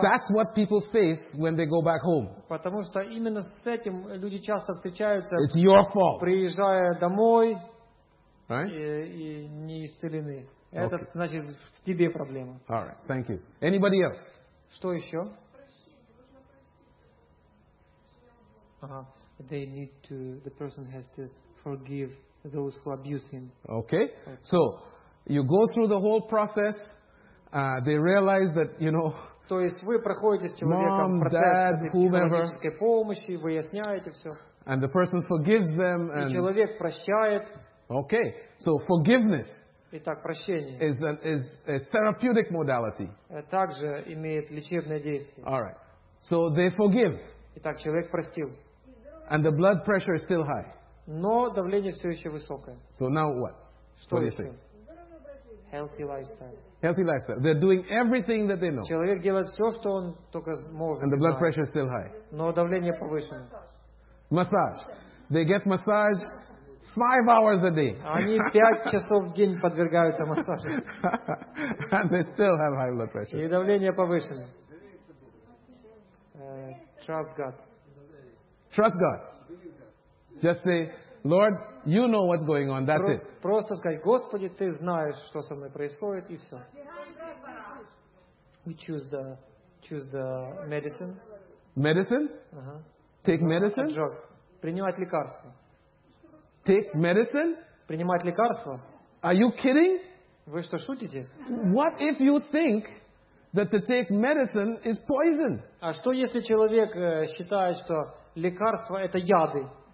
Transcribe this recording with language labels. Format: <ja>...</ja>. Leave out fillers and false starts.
<en>that's what people face when they go back home.</en> <ru>Потому что именно с этим люди часто встречаются.</ru> <en>It's your fault.</en> <ru>Приезжая домой,</ru> <en>right?</en> <ru>И не исцелены. Это значит в тебе проблема.</ru> <en>All right. Thank you. Anybody else?</en> <ru>Что еще?</ru> <en>They need to. The person has to forgive those who abuse him. Okay. So you go through the whole process. They realize that, you know.</en> <ru>То есть вы проходите с человеком процесс психологической помощи, выясняете все.</ru> <en>And the person forgives them.</en> <ru>И человек прощает.</ru> <en>Okay. So forgiveness.</en> <ru>Итак, прощение.</ru> <en>Is a therapeutic modality.</en> <ru>Также имеет лечебное действие.</ru> <en>All right. So they forgive.</en> <ru>Итак, человек простил.</ru> <en>And the blood pressure is still high.</en> <ru>Но давление все еще высокое.</ru> <en>So now what?</en> <ru>Что</ru> <en>what</en> <ru>еще?</ru> <en>Healthy lifestyle. Healthy lifestyle. They're doing everything that they know.</en> <ru>Человек делает все, что он только может.</ru> <en>And the blood pressure is still high.</en> <ru>Но давление повышено.</ru> <en>Massage. They get massage 5 hours a day.</en> <ru>Они 5 часов в день подвергаются массажу.</ru> <en>And they still have high blood pressure.</en> <ru>И давление повышено.</ru> <en>Trust God. Trust God. Just say, Lord, you know what's going on. That's it.</en> <ru>Просто сказать, Господи, ты знаешь, что со мной происходит, и все.</ru> <en>We choose the medicine. Medicine? Uh-huh. Take medicine?</en> <ru>Принимать лекарства.</ru> <en>Take medicine?</en> <ru>Принимать лекарства.</ru> <en>Are you kidding?</en> <ru>Вы что, шутите?</ru> <en>What if you think that to take medicine is poison?</en> <ru>А что, если человек считает, что лекарства это яды?</ru>